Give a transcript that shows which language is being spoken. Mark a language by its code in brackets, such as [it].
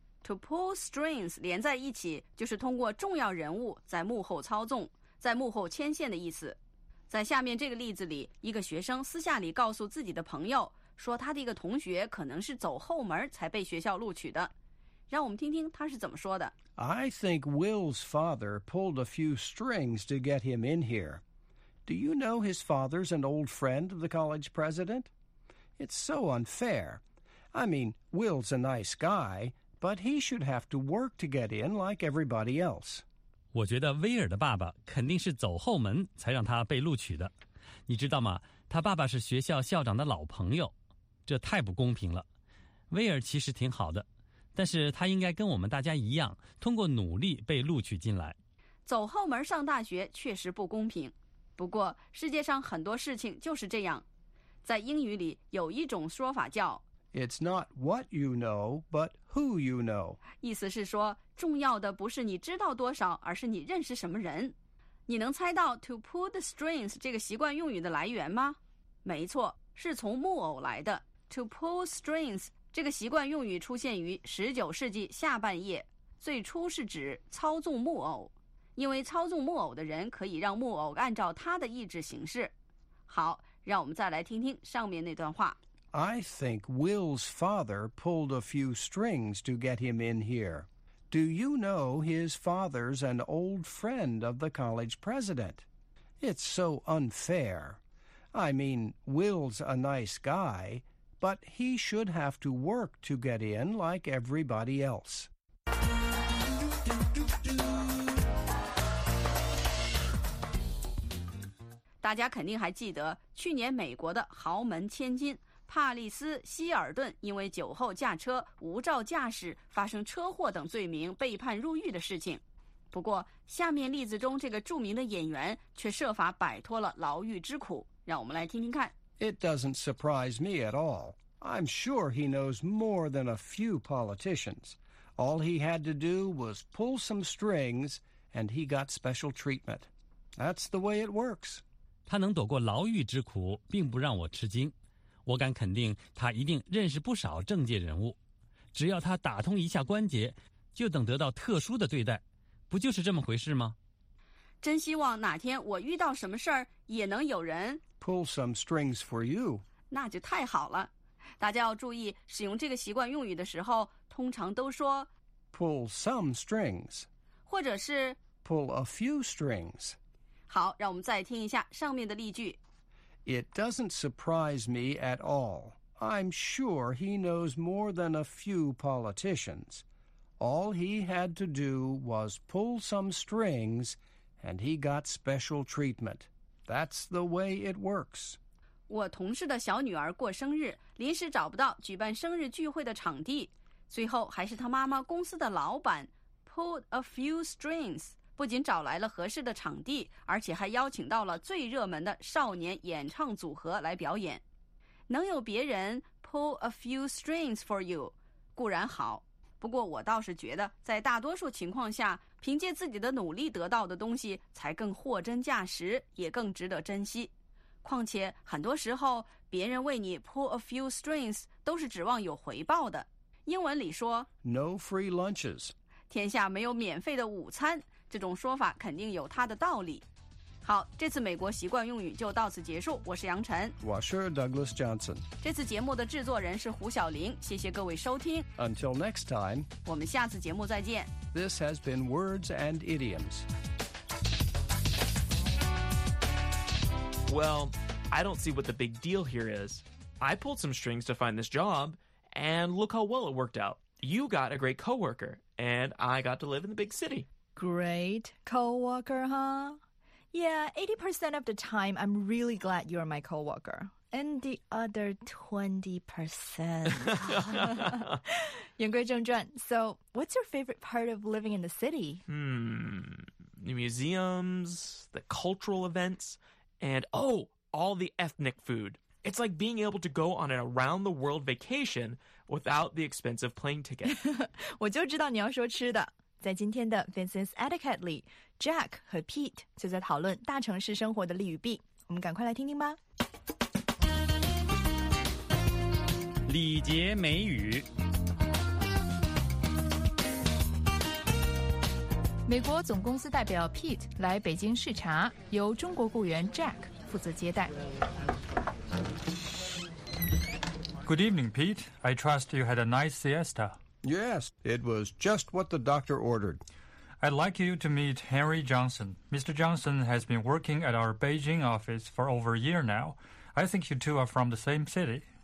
[en] To pull strings [zh] 连在一起，就是通过重要人物在幕后操纵，在幕后牵线的意思。在下面这个例子里，一个学生私下里告诉自己的朋友，说他的一个同学可能是走后门才被学校录取的。让我们听听他是怎么说的。 [en] I think Will's father pulled a few strings to get him in here. Do you know his father's an old friend of the college president? It's so unfair. I mean, Will's a nice guy. But he should have to work to get in like everybody else. [zh] 我觉得威尔的爸爸肯定是走后门才让他被录取的。你知道吗？他爸爸是学校校长的老朋友，这太不公平了。威尔其实挺好的，但是他应该跟我们大家一样，通过努力被录取进来。走后门上大学确实不公平，不过世界上很多事情就是这样。在英语里有一种说法叫 [en] It's not what you know, but who you know. [zh] 意思是说，重要的不是你知道多少，而是你认识什么人。你能猜到 [en] to pull the strings [zh] 这个习惯用语的来源吗？没错，是从木偶来的。 [en] To pull strings [zh] 这个习惯用语出现于19世纪下半叶，最初是指操纵木偶，因为操纵木偶的人可以让木偶按照他的意志行事。好，让我们再来听听上面那段话。 [en] I think Will's father pulled a few strings to get him in here. Do you know his father's an old friend of the college president? It's so unfair. I mean, Will's a nice guy, but he should have to work to get in like everybody else. [zh] 大家肯定还记得去年美国的豪门千金帕利斯·希尔顿因为酒后驾车、无照驾驶、发生车祸等罪名被判入狱的事情。不过，下面例子中这个著名的演员却设法摆脱了牢狱之苦。让我们来听听看。 [en] It doesn't surprise me at all. I'm sure he knows more than a few politicians. All he had to do was pull some strings, and he got special treatment. That's the way it works. [zh] 他能躲过牢狱之苦，并不让我吃惊。我敢肯定他一定认识不少政界人物，只要他打通一下关节，就等得到特殊的对待，不就是这么回事吗？真希望哪天我遇到什么事儿，也能有人 [en] pull some strings for you， [zh] 那就太好了。大家要注意，使用这个习惯用语的时候，通常都说 [en] pull some strings, [zh] 或者是 [en] pull a few strings. [zh] 好，让我们再听一下上面的例句。 [en] It doesn't surprise me at all. I'm sure he knows more than a few politicians. All he had to do was pull some strings, and he got special treatment. That's the way it works. [zh] 我同事的小女儿过生日，临时找不到举办生日聚会的场地，最后还是她妈妈公司的老板 [en] pulled a few strings。 [zh] 不仅找来了合适的场地，而且还邀请到了最热门的少年演唱组合来表演。能有别人 [en] pull a few strings for you [zh] 固然好，不过我倒是觉得在大多数情况下，凭借自己的努力得到的东西才更货真价实，也更值得珍惜。况且很多时候别人为你 [en] pull a few strings [zh] 都是指望有回报的。英文里说 [en] No free lunches， [zh] 天下没有免费的午餐，这种说法肯定有它的道理。好，这次美国习惯用语就到此结束。我是杨晨，我是 Douglas Johnson。这次节目的制作人是胡晓玲，谢谢各位收听。 [en] Until next time， [zh] 我们下次节目再见。 [en] This has been Words and Idioms. Well, I don't see what the big deal here is. I pulled some strings to find this job, and look how well it worked out. You got a great coworker, and I got to live in the big city. Great coworker, huh? Yeah, 80% of the time, I'm really glad you're my coworker. And the other 20%. [zh] 言归正传。 [en] So, what's your favorite part of living in the city? The museums, the cultural events, and oh, all the ethnic food. It's like being able to go on an around-the-world vacation without the expense of plane ticket. [zh] 我就知道你要说吃的。在今天的 Vincent's Etiquette 里 ，Jack 和 Pete 就在讨论大城市生活的利与弊。我们赶快来听听吧。礼节美语。美国总公司代表 Pete 来北京视察，由中国雇员 Jack 负责接待。 [en] Good evening, Pete. I trust you had a nice siesta. Yes, it was just what the doctor ordered. I'd like you to meet Henry Johnson. Mr. Johnson has been working at our Beijing office for over a year now. I think you two are from the same city.